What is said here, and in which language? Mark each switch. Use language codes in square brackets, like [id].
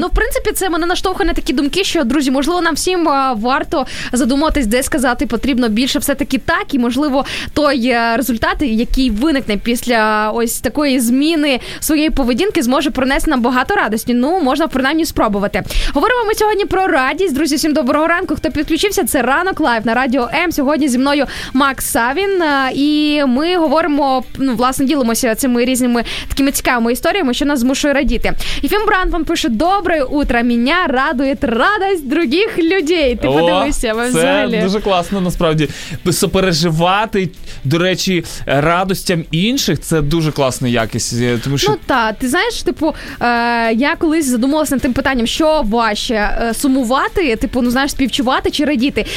[uk] ну, в принципі, це мене наштовхує на такі думки, що, друзі, можливо, нам всім варто задуматись, де сказати потрібно більше все-таки так, і, можливо, той результат, який виникне після ось такої зміни своєї поведінки, зможе принести нам багато радості. Ну, можна, принаймні, спробувати. Говоримо ми сьогодні про радість. Друзі, всім доброго ранку. Хто підключився, це Ранок Лайв на Радіо М. Сьогодні зі мною Макс Савін. І ми говоримо, ну, власне, ділимося цими різними такими цікавими історіями, що нас змушує радіти. [ru] Єфім Бранд [uk] вам пише: [ru] «Доброе утро, меня радует радость других людей». [uk] Ти подивися, ви взагалі. Це дуже класно, насправді. Сопереживати, до речі, радостям інших, це дуже класна якість. Тому що... Ну так, ти знаєш, типу, я колись задумалася над тим питанням, що важче, сумувати, типу, ну знаєш, співчувати чи радіти.